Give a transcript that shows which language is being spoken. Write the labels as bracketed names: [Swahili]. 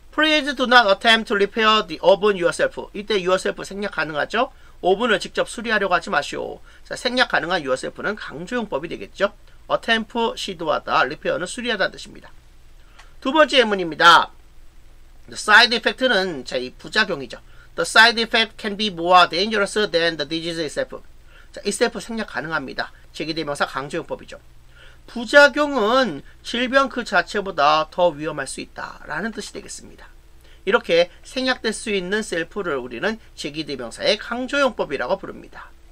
[English] Please do not attempt to repair the oven yourself. [Korean] 이때 yourself 생략 가능하죠? 오븐을 직접 수리하려고 하지 마시오. 자, 생략 가능한 yourself는 강조용법이 되겠죠? attempt, 시도하다, repair는 수리하다는 뜻입니다. 두 번째 예문입니다. [English] The side effect [Korean] 는 자, 이 부작용이죠. [English] The side effect can be more dangerous than the disease itself. [Korean] 자, itself 생략 가능합니다. 제기대명사 강조용법이죠. 부작용은 질병 그 자체보다 더 위험할 수 있다라는 뜻이 되겠습니다. 이렇게 생략될 수 있는 셀프를 우리는 제기대명사의 강조용법이라고 부릅니다.